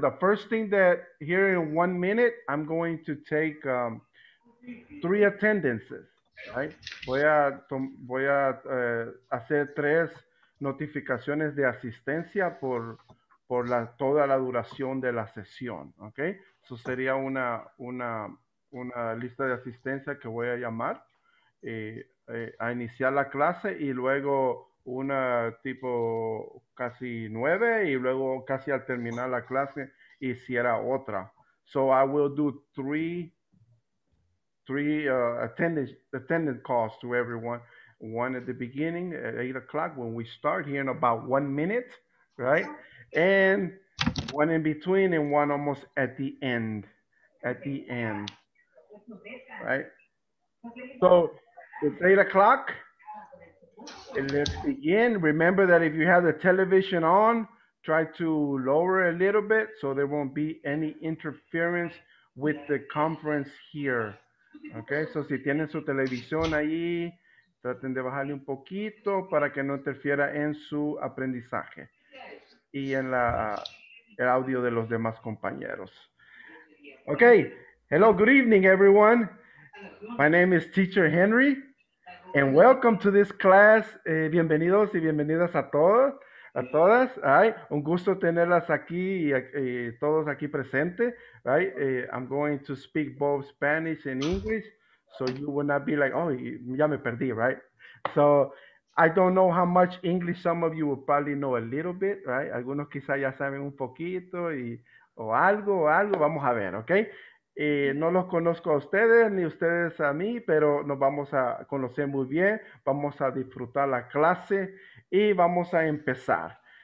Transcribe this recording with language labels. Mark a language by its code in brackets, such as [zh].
[en] The first thing that here in 1 minute, I'm going to take three attendances. Right. [es] Voy a hacer tres notificaciones de asistencia por la toda la duración de la sesión. Okay. Eso sería una lista de asistencia que voy a llamar a iniciar la clase y luego una tipo casi 9 y luego casi al terminar la clase hiciera otra. [en] So I will do three attendance calls to everyone. One at the beginning at 8 o'clock when we start here in about 1 minute, right? And one in between and one almost at the end. At the end, right? So it's 8 o'clock. Let's begin. Remember that if you have the television on, try to lower it a little bit so there won't be any interference with the conference here. [es] Okay, so si tienen su televisión ahí, traten de bajarle un poquito para que no interfiera en su aprendizaje y en la el audio de los demás compañeros. [en] Okay, hello, good evening, everyone. My name is Teacher Henry. And welcome to this class. [es] Bienvenidos y bienvenidas a todos, a todas. Ay, un gusto tenerlas aquí y todos aquí presentes. [en] Right? I'm going to speak both Spanish and English, so you will not be like, oh, [es] ya me perdí, [en] right? So I don't know how much English some of you will probably know a little bit, right? [es] Algunos quizá ya saben un poquito y o algo. Vamos a ver, okay? No los conozco a ustedes ni ustedes a mí, pero nos vamos a conocer muy bien. Vamos a disfrutar la clase y vamos a empezar.